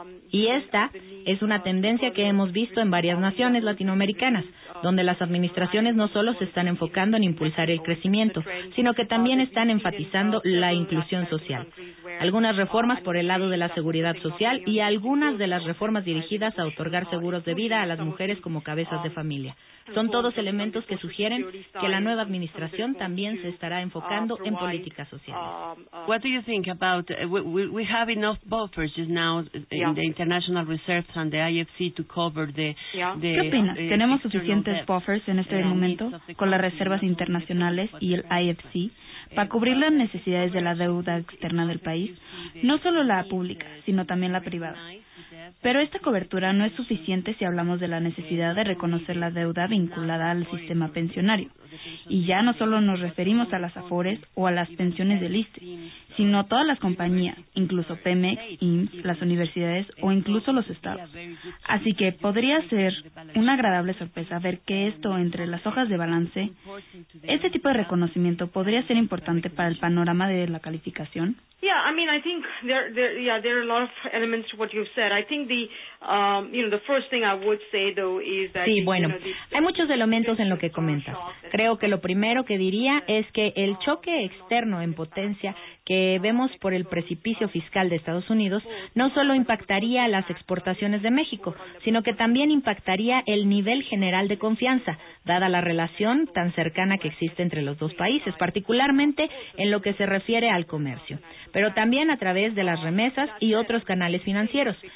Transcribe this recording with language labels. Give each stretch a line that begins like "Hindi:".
Spanish: Y esta es una tendencia que hemos visto en varias naciones latinoamericanas, donde las administraciones no solo se están enfocando en impulsar el crecimiento, sino que también están enfatizando la inclusión social. Algunas reformas por el lado de la seguridad social y algunas de las reformas dirigidas a otorgar seguros de vida a las mujeres como cabezas de familia. Son todos elementos que sugieren que la nueva administración también se estará enfocando en políticas sociales.
English: What do you think about we have enough buffers just now in the international reserves and the IFC to cover the
Spanish: ¿qué opina? ¿Tenemos suficientes buffers en este momento con las reservas internacionales y el IFC para cubrir las necesidades de la deuda externa del país, no solo la pública, sino también la privada? Pero esta cobertura no es suficiente si hablamos de la necesidad de reconocer la deuda vinculada al sistema pensionario. Y ya no solo nos referimos a las Afores o a las pensiones del ISSSTE, sino todas las compañías, incluso Pemex, IMSS, las universidades o incluso los estados. Así que podría ser una agradable sorpresa ver que esto entre las hojas de balance, este tipo de reconocimiento podría ser importante para el panorama de la calificación.
English: Yeah, I mean, I think there are a lot of elements to what you've said. I think the first thing I would say though is that.
Spanish: Sí, bueno, hay muchos elementos en lo que comentas. Creo que lo primero que diría es que el choque externo en potencia que vemos por el precipicio fiscal de Estados Unidos no solo impactaría las exportaciones de México, sino que también impactaría el nivel general de confianza, dada la relación tan cercana que existe entre los dos países, particularmente en lo que se refiere al comercio, pero también a través de las remesas y otros canales financieros.